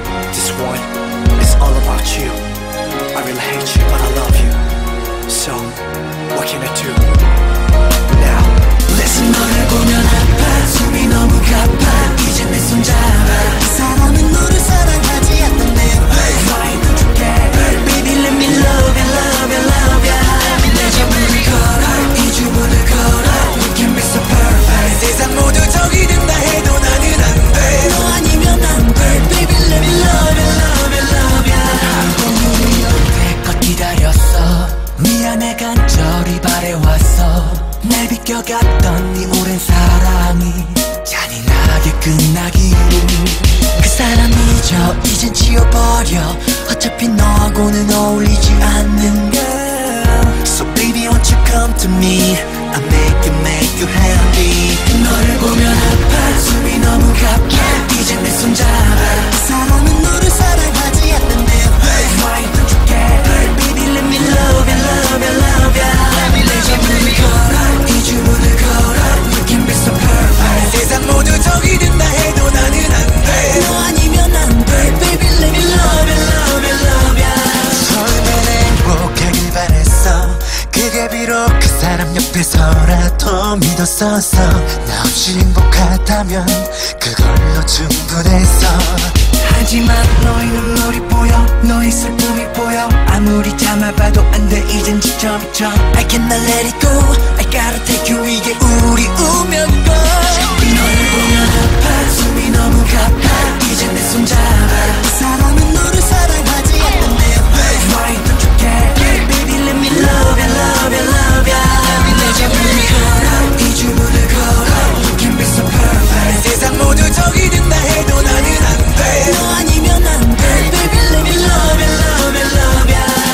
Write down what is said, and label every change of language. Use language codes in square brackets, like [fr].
[en] This one is all about you. I really hate you, but I love you. So, what can I do? Now, listen, [ko] 너를 보면 아파. 숨이 너무 가파. 이제 내 손 잡아. 이 사람은 너를 사랑하지 않는데. [en] Hey. Why don't you get it? Hey. Baby, let me love you, love you, love you. Let me let you really go. [ko] 이 주문을 걸어. [en] You can be so perfect. [ko] 세상 모두 적이 된다 해도 나는 안 돼. 너 아니면 안 돼. [en] Baby, let me love you, love you, love you. [ko] 한 번 우리 여태껏 기다렸어. 미안해 간절히 바래왔어. 날 비껴갔던 네 오랜 사랑이 잔인하게 끝나기를. 그 사람 잊어 이젠 지워버려. 어차피 너하고는 어울리지 않는 girl. [en] So baby won't you come to me. I'll make you make you happy. [ko] 너를 보면 아파. 숨이 너무 가파. Yeah. 이제 내 손 잡아. 그 사람은 너를 사랑하지 않는데. [en] Hey. Why don't you get hurt? Baby let me love you, love you, love you. Let me let you really go. [ko] 주문을 걸어. [en] You can be so perfect. [ko] 세상 모두 적이 된다 해도 나는 안 돼. 너 아니면 안 돼. [en] Baby let me love you, love you, love you. [ko] 처음엔 행복하길 바랬어. 그게 비록 그 사람 옆에서라도 믿었었어. 나 없이 행복하다면 그걸로 충분했어. 하지만 너의 눈물이 보여. 너의 슬픔이 보여. 아무리 참아봐도 안 돼. 이젠 지쳐. [en] I cannot let it go. I gotta take you. [ko] 이게 우리 운명과. 너를 보면 아파. 숨이 너무 가파. 이제 내 손 잡아. 이 사람은 너를 사랑하지 않는데. [en] Hey. Why don't you get it? Baby let me love you, love you, love you. Let me let you really go. [ko] 이 주문을 걸어. [en] You can be so perfect. [ko] 세상 모두 적이 된다 해도 나는 안 돼. 너 아니면 안 돼. [en] Baby let me love you, love you, love you.